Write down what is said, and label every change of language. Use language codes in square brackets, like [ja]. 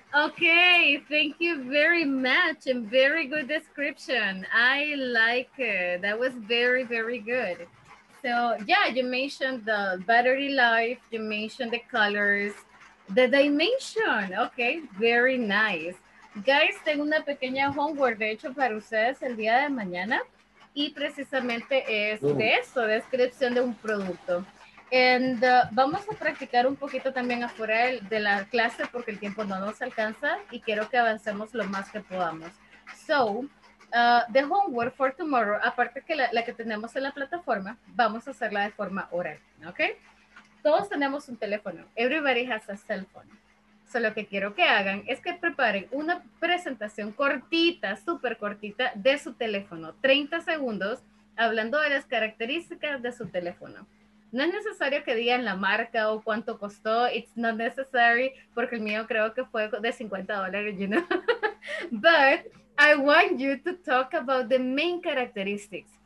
[en] Okay, thank you very much and very good description. I like it. That was very, very good. So yeah, you mentioned the battery life, you mentioned the colors, the dimension. Okay, very nice. [es] Guys, tengo una pequeña homework de hecho para ustedes el día de mañana y precisamente es de eso, descripción de un producto. And vamos a practicar un poquito también afuera de la clase porque el tiempo no nos alcanza y quiero que avancemos lo más que podamos. So, [en] the homework for tomorrow, [es] aparte que la que tenemos en la plataforma, vamos a hacerla de forma oral, okay? Todos tenemos un teléfono. [en] Everybody has a cell phone. [es] So, lo que quiero que hagan es que preparen una presentación cortita, súper cortita, de su teléfono. 30 segundos hablando de las características de su teléfono. No es necesario que digan la marca o cuánto costó. [en] It's not necessary, [es] porque el mío creo que fue de $50, [en] you know. But I want you to talk about the main characteristics.